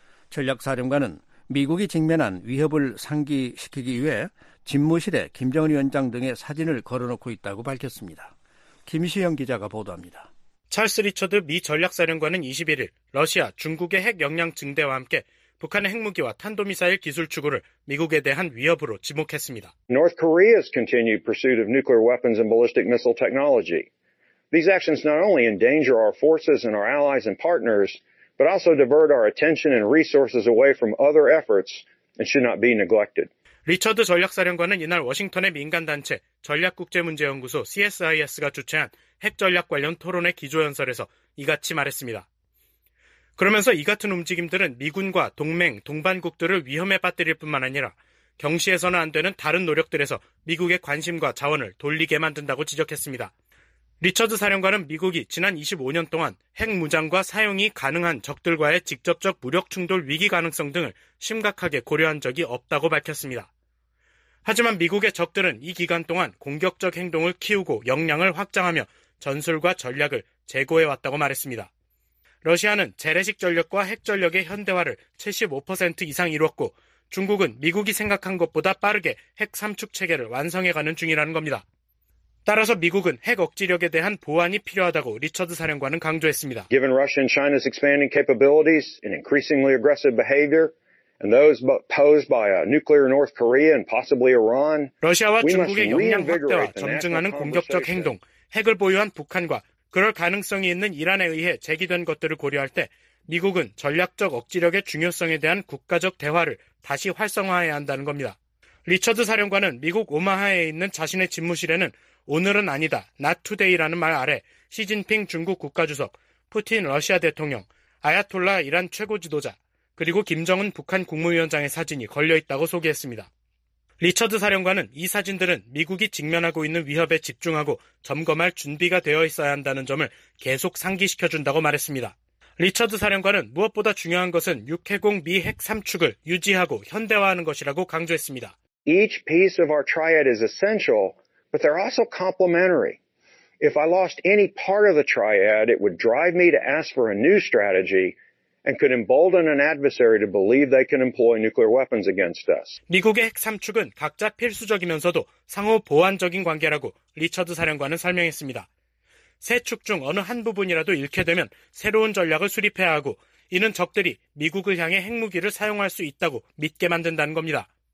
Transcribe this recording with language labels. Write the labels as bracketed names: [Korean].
[Korean] 전략사령관은 미국이 직면한 위협을 상기시키기 위해 집무실에 김정은 위원장 등의 사진을 걸어놓고 있다고 밝혔습니다. 김시영 기자가 보도합니다. 찰스 리처드 미 전략사령관은 21일 러시아, 중국의 핵 역량 증대와 함께 북한의 핵무기와 탄도미사일 기술 추구를 미국에 대한 위협으로 지목했습니다. [English] North Korea's continued pursuit of nuclear weapons and ballistic missile technology. These actions not only endanger our forces and our allies and partners, but also divert our attention and resources away from other efforts and should not be neglected. [Korean] 리처드 전략사령관은 이날 워싱턴의 민간단체 전략국제문제연구소 CSIS가 주최한 핵전략 관련 토론회 기조연설에서 이같이 말했습니다. 그러면서 이 같은 움직임들은 미군과 동맹, 동반국들을 위험에 빠뜨릴 뿐만 아니라 경시에서는 안 되는 다른 노력들에서 미국의 관심과 자원을 돌리게 만든다고 지적했습니다. 리처드 사령관은 미국이 지난 25년 동안 핵무장과 사용이 가능한 적들과의 직접적 무력 충돌 위기 가능성 등을 심각하게 고려한 적이 없다고 밝혔습니다. 하지만 미국의 적들은 이 기간 동안 공격적 행동을 키우고 역량을 확장하며 전술과 전략을 재고해왔다고 말했습니다. 러시아는 재래식 전력과 핵전력의 현대화를 75% 이상 이뤘고 중국은 미국이 생각한 것보다 빠르게 핵 삼축 체계를 완성해가는 중이라는 겁니다. 따라서 미국은 핵 억지력에 대한 보완이 필요하다고 리처드 사령관은 강조했습니다. [English] Given Russia and China's expanding capabilities and increasingly aggressive behavior and those posed by a nuclear North Korea and possibly Iran, [Korean] 러시아와 중국의 역량 확대와 점증하는 공격적 행동, 핵을 보유한 북한과 그럴 가능성이 있는 이란에 의해 제기된 것들을 고려할 때 미국은 전략적 억지력의 중요성에 대한 국가적 대화를 다시 활성화해야 한다는 겁니다. 리처드 사령관은 미국 오마하에 있는 자신의 집무실에는 오늘은 아니다, [English] not today [Korean] 라는 말 아래 시진핑 중국 국가주석, 푸틴 러시아 대통령, 아야톨라 이란 최고 지도자, 그리고 김정은 북한 국무위원장의 사진이 걸려있다고 소개했습니다. 리처드 사령관은 이 사진들은 미국이 직면하고 있는 위협에 집중하고 점검할 준비가 되어 있어야 한다는 점을 계속 상기시켜준다고 말했습니다. 리처드 사령관은 무엇보다 중요한 것은 육해공 미 핵 삼축을 유지하고 현대화하는 것이라고 강조했습니다. [English] Each piece of our triad is essential, but they're also complementary. If I lost any part of the triad, it would drive me to ask for a new strategy and could embolden an adversary to believe they can employ nuclear weapons against us. [Korean] 미국의 핵 삼축은 각자 필수적이면서도 상호 보완적인 관계라고 리처드 사령관은 설명했습니다. 세 축 중 어느 한 부분이라도 잃게 되면 새로운 전략을 수립해야 하고 이는 적들이 미국을 향해 핵무기를 사용할 수 있다고 믿게 만든다는 겁니다.